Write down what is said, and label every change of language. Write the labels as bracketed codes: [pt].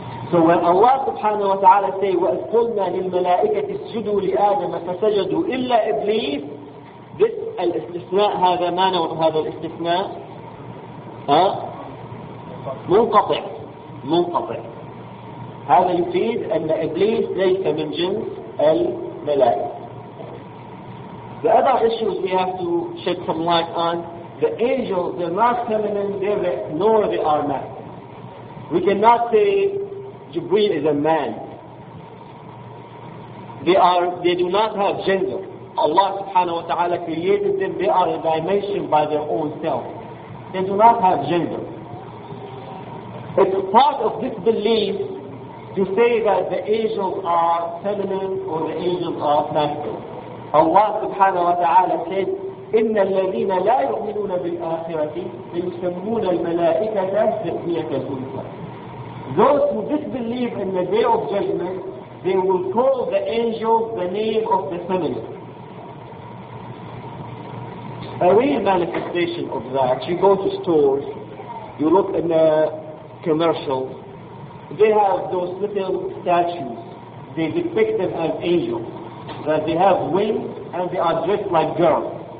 [en] So when Allah subhanahu wa ta'ala say, [ar] وَأَذْقُلْنَا لِلْمَلَائِكَةِ اسْجُدُوا لِآدَمَ فَسَجَدُوا إِلَّا إِبْلِيسِ. [en] This [ar] الاستثناء, هذا ما نوع هذا الاستثناء؟ منقطع. منقطع. هذا يفيد أن إبليس ليس من جنس الملائكة. [en] The other issues we have to shed some light on, the angels, they're not feminine, they're nor they are masculine. We cannot say Jibreel is a man. They do not have gender. Allah subhanahu wa ta'ala created them, they are a dimension by their own self. They do not have gender. It's part of this belief to say that the angels are feminine or the angels are masculine. Allah subhanahu wa ta'ala said, [ar] إِنَّ الَّذِينَ لَا يُؤْمِنُونَ بِالْآخِرَةِ لَيُسَمُّونَ الْمَلَائِكَةَ تَسْمِيَةَ الْأُنْثَى. [en] Those who disbelieve in the Day of Judgment, they will call the angels the name of the feminine. A real manifestation of that, you go to stores, you look in the commercials, they have those little statues, they depict them as angels, that they have wings and they are dressed like girls.